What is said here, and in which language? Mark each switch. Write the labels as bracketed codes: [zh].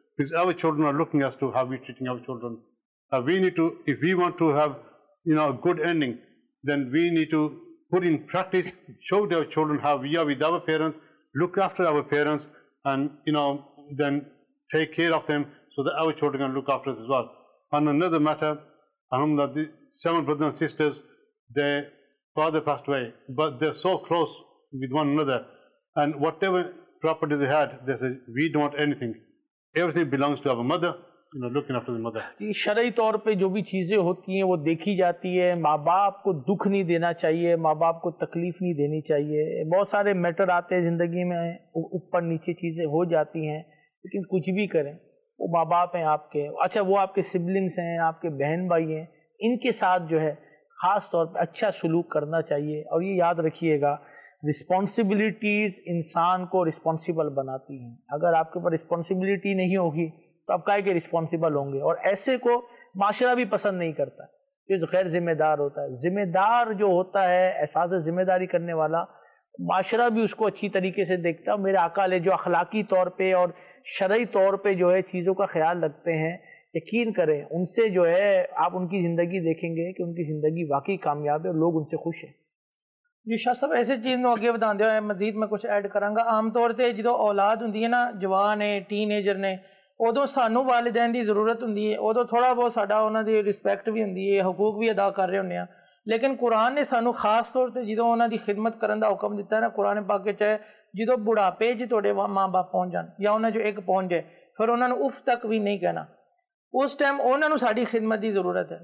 [en] Because our children are looking as to how we're treating our children. We need to, if we want to have, you know, a good ending, then we need to put in practice, show their children how we are with our parents, look after our parents, and, you know, then take care of them, so that our children can look after us as well. On another matter, alhamdulillah, the seven brothers and sisters, their father passed away, but they're so close with one another. And whatever property they had, they said, we don't want anything. Everything belongs to our mother, you know, looking after the mother. [ur] شرعی طور پہ جو بھی چیزیں ہوتی ہیں وہ دیکھی جاتی ہے. ماں باپ کو دکھ نہیں دینا چاہیے, ماں باپ کو تکلیف نہیں دینی چاہیے. بہت سارے میٹر آتے ہیں زندگی میں, اوپر نیچے چیزیں ہو جاتی ہیں, لیکن کچھ بھی کریں. وہ ماں باپ ہیں آپ کے, اچھا وہ آپ کے سبلنگس ہیں, آپ کے بہن بھائی ہیں, ان کے ساتھ جو ہے خاص طور پہ اچھا سلوک کرنا چاہیے. اور یہ یاد رکھیے گا, رسپانسبلٹیز انسان کو رسپانسیبل بناتی ہیں. اگر آپ کے پاس رسپانسبلٹی نہیں ہوگی تو آپ کہے کہ رسپانسیبل ہوں گے. اور ایسے کو معاشرہ بھی پسند نہیں کرتا جو غیر ذمہ دار ہوتا ہے. ذمہ دار جو ہوتا ہے, احساس ذمہ داری کرنے والا, معاشرہ بھی اس کو اچھی طریقے سے دیکھتا ہے. میرے آقا علیہ جو اخلاقی طور پہ اور شرعی طور پہ جو ہے چیزوں کا خیال رکھتے ہیں, یقین کریں ان سے جو ہے آپ ان کی زندگی دیکھیں گے کہ ان کی زندگی واقعی کامیاب ہے اور لوگ ان سے خوش ہیں. [pa] ਜੀ ਸ਼ਾਹ ਸਾਹਿਬ, ਇਸੇ ਚੀਜ਼ ਨੂੰ ਅੱਗੇ ਵਧਾਉਂਦੇ ਹੋਏ ਮਜ਼ੀਦ ਮੈਂ ਕੁਛ ਐਡ ਕਰਾਂਗਾ। ਆਮ ਤੌਰ 'ਤੇ ਜਦੋਂ ਔਲਾਦ ਹੁੰਦੀ ਹੈ ਨਾ, ਜਵਾਨ ਹੈ, ਟੀਨੇਜਰ ਨੇ, ਉਦੋਂ ਸਾਨੂੰ ਵਾਲਦਿਆਂ ਦੀ ਜ਼ਰੂਰਤ ਹੁੰਦੀ ਹੈ, ਉਦੋਂ ਥੋੜ੍ਹਾ ਬਹੁਤ ਸਾਡਾ ਉਹਨਾਂ ਦੀ ਰਿਸਪੈਕਟ ਵੀ ਹੁੰਦੀ ਹੈ, ਹਕੂਕ ਵੀ ਅਦਾ ਕਰ ਰਹੇ ਹੁੰਦੇ ਹਾਂ। ਲੇਕਿਨ ਕੁਰਾਨ ਨੇ ਸਾਨੂੰ ਖਾਸ ਤੌਰ 'ਤੇ ਜਦੋਂ ਉਹਨਾਂ ਦੀ ਖਿਦਮਤ ਕਰਨ ਦਾ ਹੁਕਮ ਦਿੱਤਾ ਨਾ, ਕੁਰਾਨ ਪਾਕ 'ਚ ਹੈ, ਜਦੋਂ ਬੁਢਾਪੇ 'ਚ ਤੁਹਾਡੇ ਮਾਂ ਬਾਪ ਪਹੁੰਚ ਜਾਣ ਜਾਂ ਉਹਨਾਂ 'ਚੋਂ ਇੱਕ ਪਹੁੰਚ ਜਾਏ, ਫਿਰ ਉਹਨਾਂ ਨੂੰ ਉਫ ਤੱਕ ਵੀ ਨਹੀਂ ਕਹਿਣਾ, ਉਸ ਟਾਈਮ ਉਹਨਾਂ ਨੂੰ ਸਾਡੀ ਖਿਦਮਤ ਦੀ ਜ਼ਰੂਰਤ ਹੈ।